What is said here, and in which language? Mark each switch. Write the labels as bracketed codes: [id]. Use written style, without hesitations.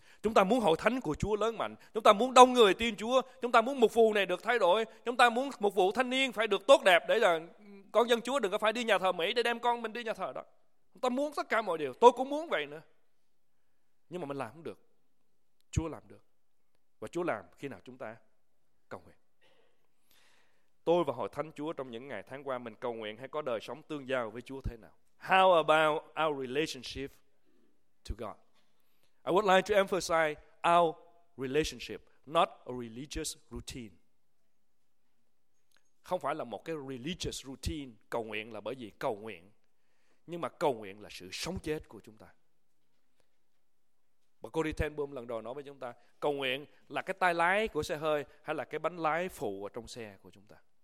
[vi] Chúng ta muốn hội thánh của Chúa lớn mạnh, chúng ta muốn đông người tin Chúa, chúng ta muốn mục vụ này được thay đổi, chúng ta muốn mục vụ thanh niên phải được tốt đẹp để là con dân Chúa đừng có phải đi nhà thờ Mỹ để đem con mình đi nhà thờ đó. Chúng ta muốn tất cả mọi điều, tôi cũng muốn vậy nữa, nhưng mà mình làm không được. Chúa làm được, và Chúa làm khi nào chúng ta cầu nguyện. Tôi và hội thánh Chúa trong những ngày tháng qua mình cầu nguyện hay có đời sống tương giao với Chúa thế nào? [en] How about our relationship to God? I would like to emphasize our relationship, not a religious routine. [vi] Không phải là một cái [en] religious routine, [vi] cầu nguyện là bởi vì cầu nguyện. Nhưng mà cầu nguyện là sự sống chết của chúng ta. Bà Corrie Ten Boom lần đầu nói với chúng ta, cầu nguyện là cái tay lái của xe hơi hay là cái bánh lái phụ ở trong xe của chúng ta.